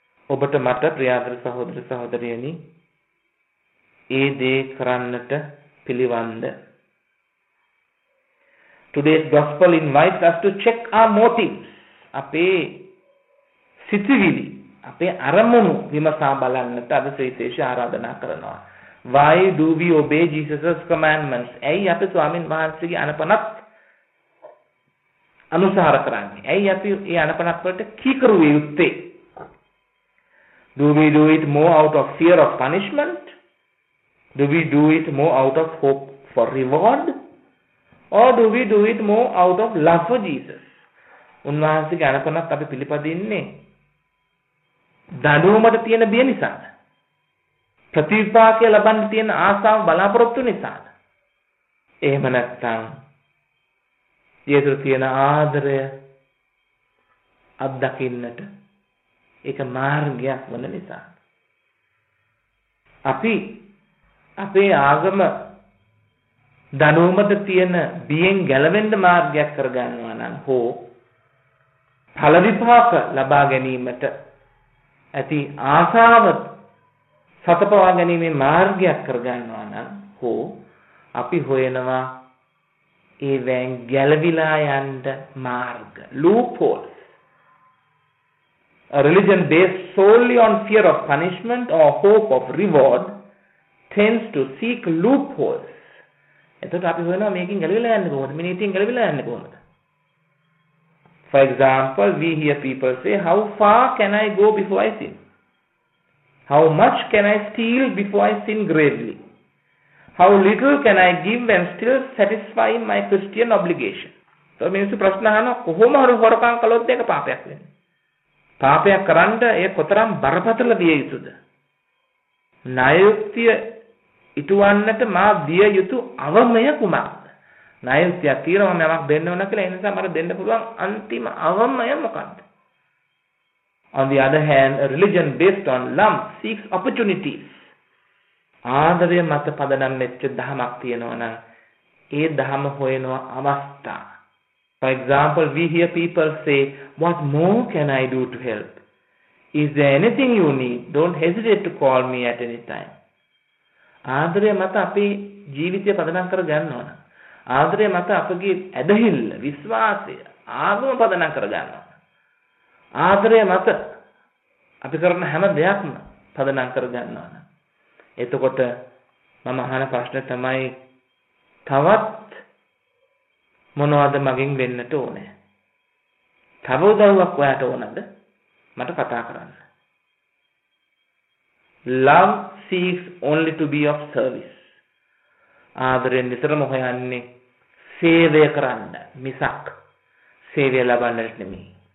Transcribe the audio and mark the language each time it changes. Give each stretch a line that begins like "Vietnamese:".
Sinhala: ඔබට මට ප්‍රියාදර සහෝදර සහෝදරියනි, ඒ දේ කරන්නට පිළිවන්ද.
English: Today's gospel invites us to check our motives.
Sinhala: අපේ සිතිවිලි, අපේ අරමුණු විමසා බලන්නට අද විශේෂ ආරාධනා කරනවා.
English: Why do we obey Jesus' commandments?
Sinhala: ඇයි අපි ස්වාමින් වහන්සේගේ අනපනත් අනුසාර කරන්නේ? ඇයි අපි ඒ අනපනත් වලට කීකරු වෙ යුත්තේ?
English: Do we do it more out of fear of punishment? Do we do it more out of hope for reward? Or do we do it more out of love for Jesus?
Sinhala: උන්වහන්සේගේ අනපනත් අපි පිළිපදින්නේ දඬුවමට තියෙන බිය නිසාද? ප්‍රතිපාකය ලබන්න තියෙන ආසාව බලාපොරොත්තු නිසාද? එහෙම නැත්නම් ජීවිතේ තියෙන ආදරය අත්දකින්නට ඒක මාර්ගයක් වන නිසා. අපි අපේ ආගම දඬුවමට තියෙන බියෙන් ගැලවෙන්න මාර්ගයක් කරගන්නවා නම් හෝ ඵල විපාක ලබා ගැනීමට ඇති ආශාව සතපවා ගැනීමේ මාර්ගයක් කරගන්නවා නම් හෝ අපි හොයනවා ඒ වැන් ගැළවිලා යන්න මාර්ග loopholes.
English: a religion based solely on fear of punishment or hope of reward tends to seek loopholes.
Sinhala: එතකොට අපි හොයනවා මේකෙන් ගැලවිලා යන්න කොහොමද? මේ නීතියෙන් ගැලවිලා යන්න කොහොමද?
English: For example, we hear people say, how far can I go before I sin? How much can I steal before I sin gravely? How little can I give and still satisfy my Christian obligation?
Sinhala: So, මිනිස්සු ප්‍රශ්න අහනවා කොහොම හරි හොරකම් කළොත් ඒක පාපයක් වෙන්නේ? පාපයක් කරන්න ඒ කොතරම් බරපතල විය යුතුද? ණයුක්තිය ඉටුවන්නට මා විය යුතු අවමය කුමක්ද? ණයුක්තිය කියනවා මම යමක් දෙන්න ඕන කියලා, ඒ නිසා මට දෙන්න පුළුවන් අන්තිම අවමය මොකක්ද?
English: On the other hand, a religion based on lump seeks opportunities.
Sinhala: ආදරය මත පදනම් වෙච්ච දහමක් තියෙනවනම් ඒ දහම හොයනවා අවස්ථා.
English: For example, we hear people say, what more can I do to help? Is there anything you need? Don't hesitate to call me at any time.
Sinhala: ආදරය මත අපි ජීවිතය පදනම් කර ගන්නවා. ආදරය මත අපගේ ඇදහිල්ල, විශ්වාසය, ආගම පදනම් කර ගන්නවා. ආදරය මත අපි කරන හැම දෙයක්ම පදනම් කර ගන්නවා. එතකොට මම අහන ප්‍රශ්න තමයි, තවත් මොනවද මගෙන් වෙන්නට ඕනේ? තව උදව්වක් ඔයාට ඕනද මට කතා කරන්න?
English: Love seeks only to be of service.
Sinhala: ආදරෙන් නිතරම හොයන්නේ සේවය කරන්න, මිසක් සේවය ලබන්නට නෙමෙයි.